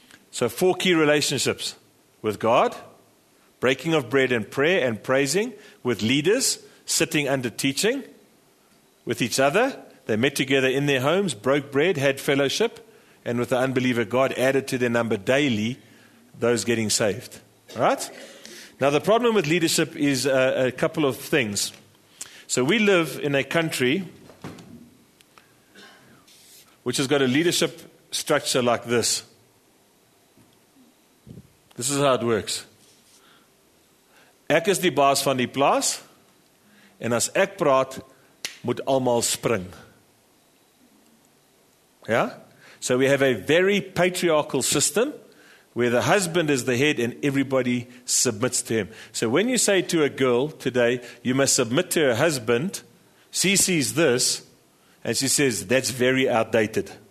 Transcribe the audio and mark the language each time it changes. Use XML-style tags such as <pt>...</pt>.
<en>So four key relationships: with God, breaking of bread and prayer and praising, with leaders, sitting under teaching, with each other, they met together in their homes, broke bread, had fellowship, and with the unbeliever, God added to their number daily those getting saved. All right? Now, the problem with leadership is a couple of things. So we live in a country which has got a leadership structure like this. This is how it works.</en> <af>Ek is die baas van die plaas, en as ek praat, moet almal spring.</af> <en>Yeah? So we have a very patriarchal system where the husband is the head and everybody submits to him. So when you say to a girl today, you must submit to her husband, she sees this and she says, that's very outdated.</en>